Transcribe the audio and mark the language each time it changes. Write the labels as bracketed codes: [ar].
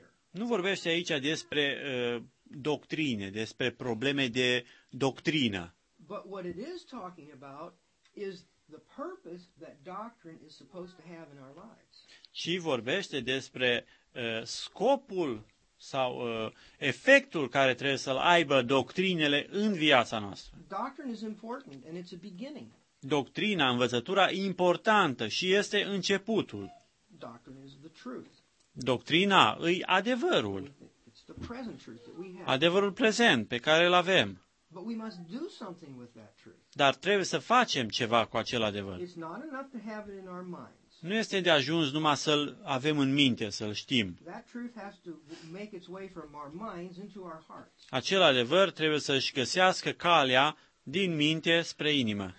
[ro] Nu vorbește aici despre doctrine, despre probleme de doctrină. [en] But what it is talking about is the purpose that doctrine is supposed to have in our lives. [ro] Ci vorbește despre scopul sau efectul care trebuie să-l aibă doctrinele în viața noastră. [en] Doctrine is important and it's a beginning. [ro] Doctrina, învățătura e importantă și este începutul. [en] Doctrine is the truth. [ro] Doctrina e adevărul. [en] It's the present truth that we have. [ro] Adevărul prezent pe care îl avem. [en] But we must do something with that truth. [ro] Dar trebuie să facem ceva cu acel adevăr. [en] It's not enough to have it in our minds. [ro] Nu este de ajuns numai să-l avem în minte, să-l știm. [en] That truth has to make its way from our minds into our hearts. [ro] Acel adevăr trebuie să-și găsească calea din minte spre inimă.